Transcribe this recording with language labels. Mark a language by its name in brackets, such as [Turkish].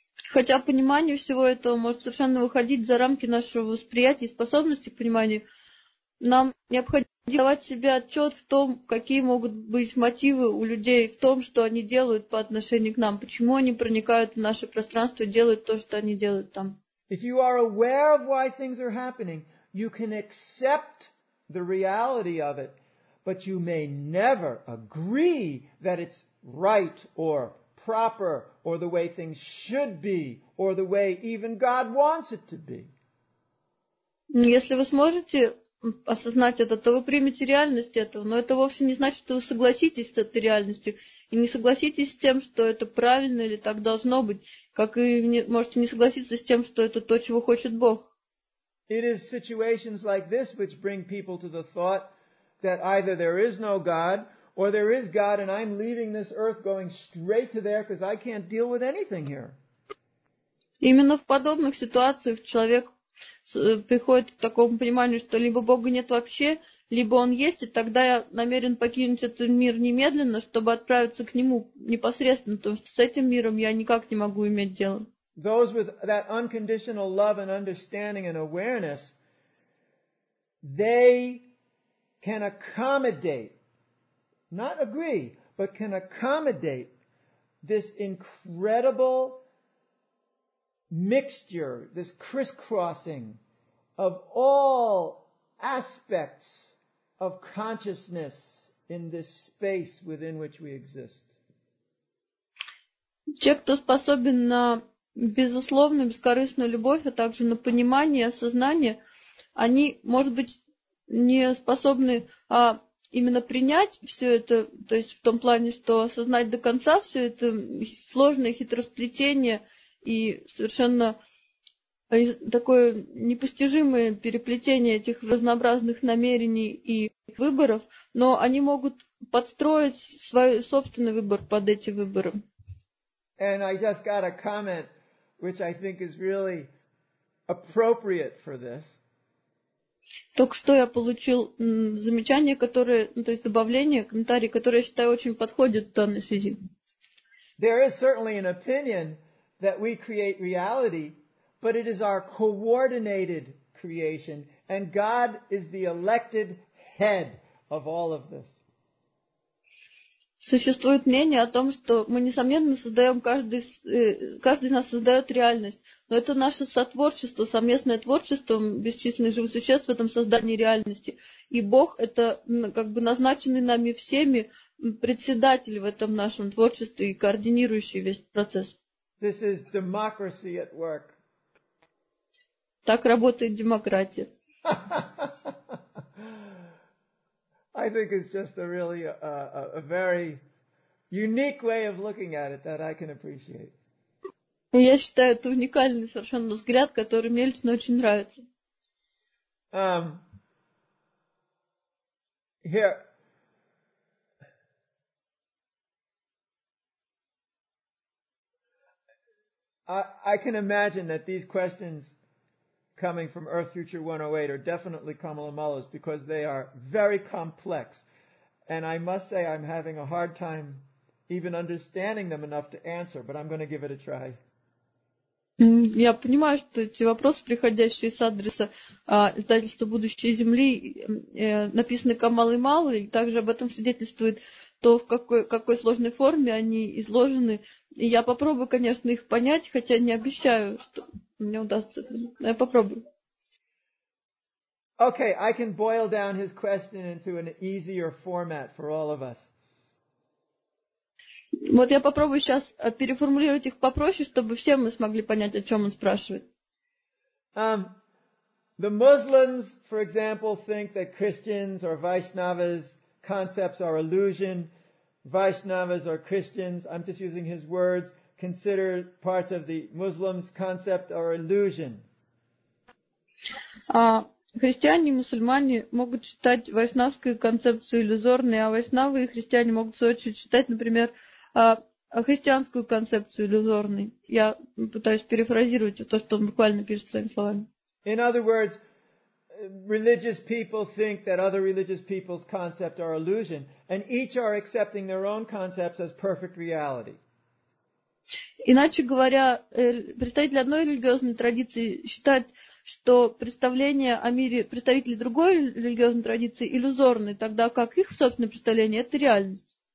[Russian] Хотя понимание всего этого может совершенно выходить за рамки нашего восприятия и способности к пониманию, нам необходимо давать себе отчет в том, какие могут быть мотивы у людей в том, что они делают по отношению к нам, почему они проникают в наше пространство и делают то, что они делают там. [English] If you are aware of why things are happening, you can accept the reality of it, but you may never agree that it's right or proper or the way things should be or the way even God wants it to be. [Russian] Если вы сможете осознать это, то вы примете реальность этого, но это вовсе не значит, что вы согласитесь с этой реальностью и не согласитесь с тем, что это правильно или так должно быть, как и можете не согласиться с тем, что это то, чего хочет Бог. [English] It is situations like this which bring people to the thought that either there is no God or there is God and I'm leaving this earth going straight to there because I can't deal with anything here. [Russian] Именно в подобных ситуациях человек приходит к такому пониманию, что либо Бога нет вообще, либо Он есть, и тогда я намерен покинуть этот мир немедленно, чтобы отправиться к Нему непосредственно, потому что с этим миром я никак не могу иметь дело. [English] Those with that unconditional love and understanding and awareness, they can accommodate, not agree, but can accommodate this incredible mixture, this crisscrossing of all aspects of consciousness in this space within which we exist. [Russian] Те, кто способен на безусловную, бескорыстную любовь, а также на понимание и осознание, они, может быть, не способны именно принять все это, то есть в том плане, что осознать до конца все это сложное хитросплетение и совершенно такое непостижимое переплетение этих разнообразных намерений и выборов, но они могут подстроить свой собственный выбор под эти выборы. [English] And I just got a comment, which I think is really appropriate for this. [Russian] Только что я получил замечание, которое, то есть добавление, комментарий, который, я считаю, очень подходит в данной связи. [English] There is certainly an opinion that we create reality, but it is our coordinated creation, and God is the elected head of all of this. [Russian] существует мнение о том, что мы, несомненно, создаем, каждый из нас создает реальность. Но это наше сотворчество, совместное творчество бесчисленных живых существ в этом создании реальности. И Бог – это как бы назначенный нами всеми председатель в этом нашем творчестве и координирующий весь процесс. [English] This is democracy at work. [Russian] Так работает демократия. [English] I think it's just a really a very unique way of looking at it that I can appreciate. [Russian] Я считаю, это уникальный совершенно взгляд, который мне лично очень нравится. [English] Here. I can imagine that these questions coming from Earth Future 108 are definitely Kamala Mala's because they are very complex. And I must say I'm having a hard time even understanding them enough to answer, but I'm going to give it a try. [Russian] Я понимаю, что эти вопросы, приходящие с адреса издательства «Будущее Земли», написаны Камалой Малой, и также об этом свидетельствует то, в какой сложной форме они изложены. И я попробую, конечно, их понять, хотя не обещаю, что мне удастся. Но я попробую. [English] Okay, I can boil down his question into an easier format for all of us. [Russian] Вот я попробую сейчас переформулировать их попроще, чтобы все мы смогли понять, о чем он спрашивает. [English] The Muslims, for example, think that Christians or Vaishnavas concepts are illusion. Vaishnavas or Christians, I'm just using his words, consider parts of the Muslims' concept are illusion. [Russian] Христиане и мусульмане могут считать вайшнавскую концепцию иллюзорной, а вайшнавы и христиане могут в свою очередь считать, например, христианскую концепцию иллюзорной. Я пытаюсь перефразировать то, что он буквально пишет своими словами. [English] In other words, religious people think that other religious people's concepts are illusion, and each are accepting their own concepts as perfect reality. [Russian] Иначе говоря, представители одной религиозной традиции считают, что представления о мире представителей другой религиозной традиции иллюзорны, тогда как их собственное представление – это реальность.